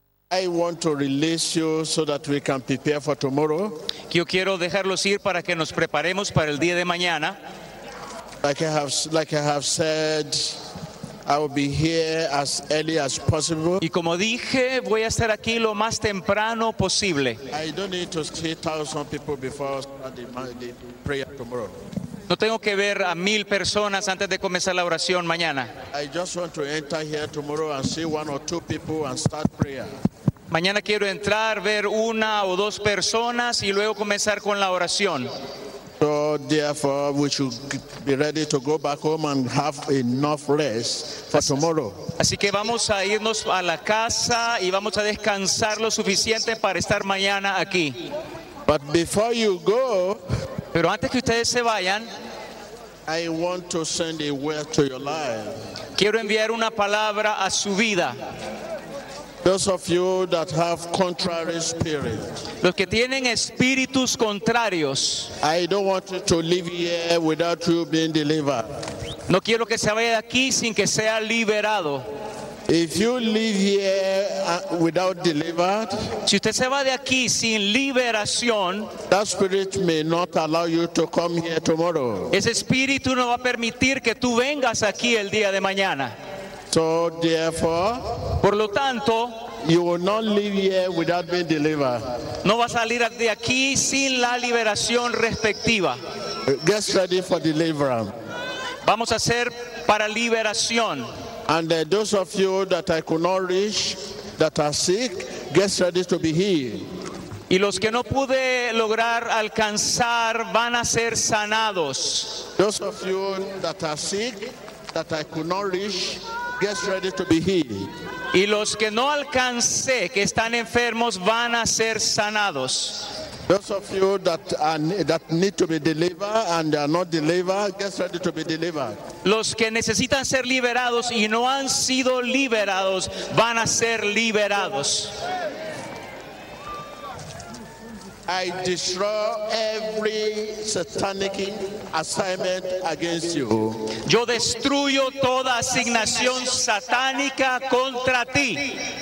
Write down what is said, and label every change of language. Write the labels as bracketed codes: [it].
[en] I want to release you so that we can prepare for tomorrow. [es] Yo quiero dejarlos ir para que nos preparemos para el día de mañana. [en] Like I have said, I will be here as early as possible. [es] Y como dije, voy a estar aquí lo más temprano posible. [en] I don't need to see 1,000 people before the prayer tomorrow. [es] No tengo que ver a 1,000 personas antes de comenzar la oración mañana. [en] I just want to enter here tomorrow and see 1 or 2 people and start prayer. [es] Mañana quiero entrar, ver 1 o 2 personas y luego comenzar con la oración. [en] So therefore, we should be ready to go back home and have enough rest for tomorrow. [es] Así que vamos a irnos a la casa y vamos a descansar lo suficiente para estar mañana aquí. [en] But before you go, [es] pero antes que ustedes se vayan, [en] I want to send a word to your life. [es] Quiero enviar una palabra a su vida. [en] Those of you that have contrary spirits, [es] los que tienen espíritus contrarios, [en] I don't want you to live here without you being delivered. [es] No quiero que se vaya de aquí sin que sea liberado. [en] If you live here without delivered, [es] si usted se va de aquí sin liberación, [en] that spirit may not allow you to come here tomorrow. [es] Ese espíritu no va a permitir que tú vengas aquí el día de mañana. [en] So therefore, [es] por lo tanto, [en] you will not live here without being delivered. [es] No va a salir de aquí sin la liberación respectiva. [en] Get ready for deliverance. [es] Vamos a hacer para liberación. [en] And those of you that I could not reach, that are sick, get ready to be healed. [es] Y los que no pude lograr alcanzar van a ser sanados. [en] Those of you that are sick, that I could not reach, get ready to be healed. [es] Y los que no alcancé, que están enfermos, van a ser sanados. [en] Those of you that need to be delivered and are not delivered, get ready to be delivered. [es] Los que necesitan ser liberados y no han sido liberados van a ser liberados. [en] I destroy every satanic assignment against you. [es] Yo destruyo toda asignación satánica contra ti.